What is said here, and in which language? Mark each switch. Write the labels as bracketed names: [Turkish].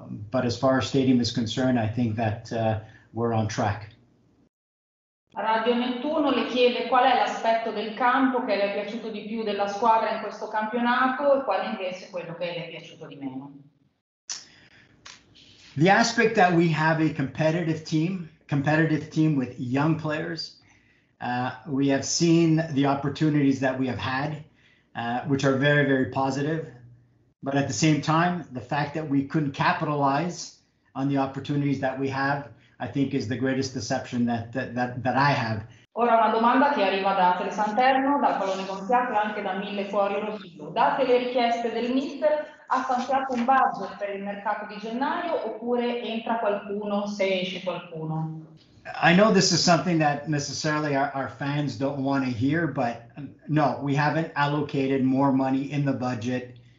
[English] But as far as stadium is concerned, I think that we're on track. [Italian] Radio Nettuno le chiede qual è l'aspetto del campo che le è piaciuto di più della squadra in questo campionato e qual è invece quello che le è piaciuto di meno. [English] The aspect that we have a competitive team with young players, we have seen the opportunities that we have had, which are very, very positive. But at the same time, the fact that we couldn't capitalize on the opportunities that we have, I think, is the greatest deception that I have. [Italian] Ora una domanda che arriva da Tele Santerno, dal Pallone Gonfiato e anche da Mille Fuori Rovigo. Date le richieste del Mister, ha stanziato un budget per il mercato di gennaio oppure entra qualcuno se esce qualcuno? [English] I know this is something that necessarily our fans don't want to hear, but no, we haven't allocated more money in the budget